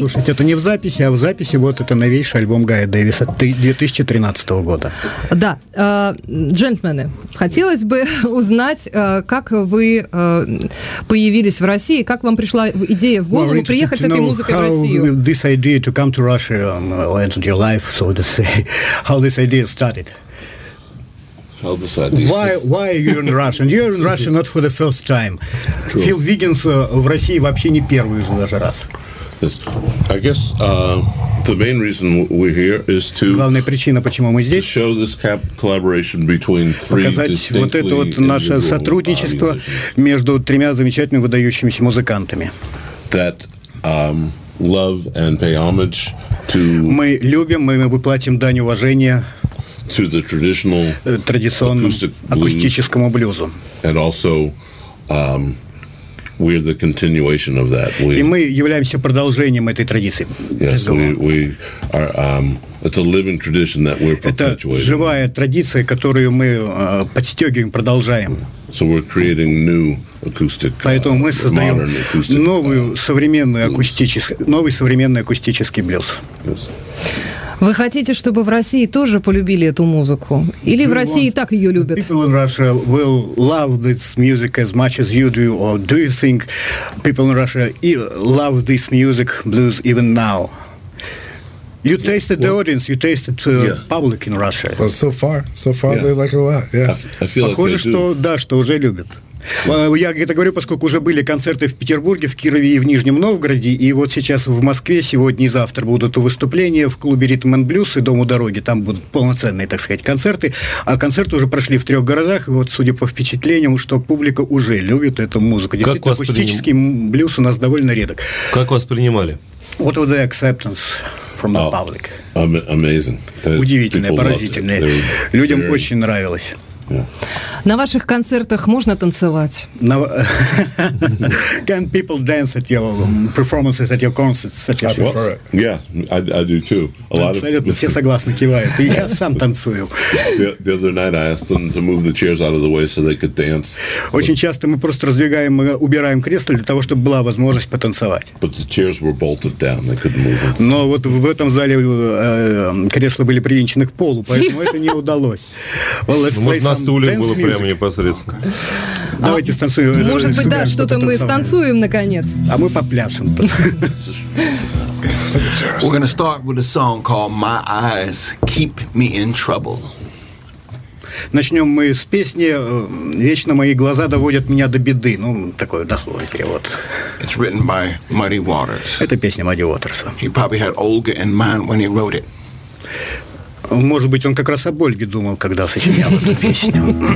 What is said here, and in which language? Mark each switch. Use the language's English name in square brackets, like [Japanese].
[Russian] Послушать. Это не в записи, а в записи. Вот это новейший альбом Гая Дэвиса 2013 года. Да. Джентльмены, хотелось бы узнать, как вы появились в России, как вам пришла идея в голову приехать с этой музыкой в Россию? [English] This idea to come to Russia and your life, so to say, how this idea started? Why are you in Russia? You're in Russia not for the first time. True. [Russian] Phil Wiggins в России вообще не первый же даже раз. [English] I guess the main reason we're here is to [Russian] главная причина, почему мы здесь, [English] show this collaboration between three [Russian] показать вот это вот наше сотрудничество между тремя замечательными выдающимися музыкантами. [English] That love and pay homage to [Russian] мы любим, мы выплатим дань уважения [English] to the traditional [Russian] акустическому блюзу. [English] And also we're the continuation of that. [Russian] И мы являемся продолжением этой традиции. [English] Yes, we are it's a living tradition that we're perpetuating. [Russian] Это живая традиция, которую мы подстёгиваем, продолжаем. [English] So we're creating new acoustic. [Russian] Поэтому мы создаем новый современный акустический блюз. Вы хотите, чтобы в России тоже полюбили эту музыку? Или в России и так ее любят? [English] People in Russia will love this music as much as you do, or do you think people in Russia love this music, blues, even now? You tasted the audience, you tasted the public in Russia. Well, so far they like it a lot, yeah. [Russian] Похоже, что да, что уже любят. Я это говорю, поскольку уже были концерты в Петербурге, в Кирове и в Нижнем Новгороде, и вот сейчас в Москве, сегодня и завтра будут выступления в клубе «Ритм энд Блюз» и «Дом у дороги», там будут полноценные, так сказать, концерты, а концерты уже прошли в трех городах, и вот, судя по впечатлениям, что публика уже любит эту музыку. Действительно, акустический блюз у нас довольно редок. Как вас принимали? [English] What was the acceptance from the public? Amazing. [Russian] Удивительное, [English] people [Russian] поразительное. Людям [English] very [Russian] очень нравилось. [English] Yeah. [Russian] На ваших концертах можно танцевать? [English] Can people dance at your performances, at your concerts? I do too. A lot [Russian] абсолютно, все согласны, кивают. И я сам танцую. [English] The other night I asked them to move the chairs out of the way so they could dance. [Russian] Очень часто мы просто раздвигаем, убираем кресло для того, чтобы была возможность потанцевать. [English] But the chairs were bolted down, they couldn't move them. [Russian] Но вот в этом зале кресла были привинчены к полу, поэтому это не удалось. [English] Well, let's play. [Russian] На стуле было прямо непосредственно. Давайте станцуем. Может быть, да, что-то мы станцуем наконец. А мы попляшем. [English] We're gonna start with a song called "My Eyes Keep Me in Trouble". [Russian] Начнем мы с песни «Вечно мои глаза доводят меня до беды». Ну, такой дословный перевод. [English] It's written by Muddy Waters. [Russian] Это песня Мадди Уотерса. [English] He probably had Olga in mind when he wrote it. [Russian] Может быть, он как раз об Ольге думал, когда сочинял эту песню.